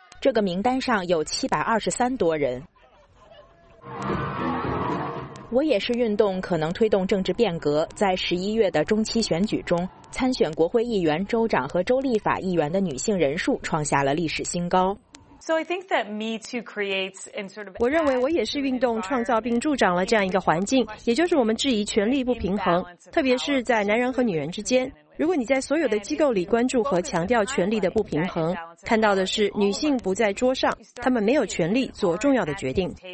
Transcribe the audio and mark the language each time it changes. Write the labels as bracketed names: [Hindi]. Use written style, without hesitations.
[Chinese] 这个名单上有723多人。我也是运动可能推动政治变革。在11月的中期选举中，参选国会议员、州长和州立法议员的女性人数创下了历史新高。 [English] So I think that Me Too creates and sort of. [Chinese] 我认为我也是运动创造并助长了这样一个环境，也就是我们质疑权力不平衡，特别是在男人和女人之间。如果你在所有的机构里关注和强调权力的不平衡，看到的是女性不在桌上，她们没有权力做重要的决定。